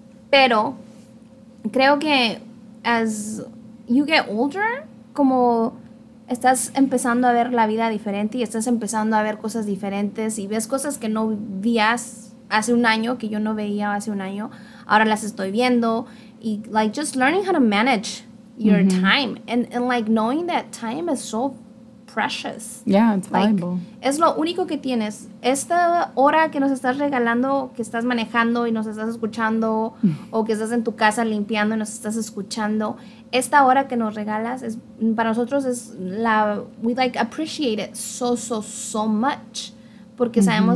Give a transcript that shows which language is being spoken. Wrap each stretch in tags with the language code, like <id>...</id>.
<es>Pero creo que</es> <en>as you get older,</en> <es>como estás empezando a ver la vida diferente y estás empezando a ver cosas diferentes y ves cosas que no vías hace un año, que yo no veía hace un año, ahora las estoy viendo.</es> <en>Y like just learning how to manage your mm-hmm. time and like knowing that time is so precious. Yeah, it's valuable. Like,</en> <es>es lo único que tienes. Esta hora que nos estás regalando, que estás manejando y nos estás escuchando, o que estás en tu casa limpiando y nos estás escuchando, esta hora que nos regalas es para nosotros es la</es> <en>we like appreciate it so much</en> <es>porque mm-hmm.</es>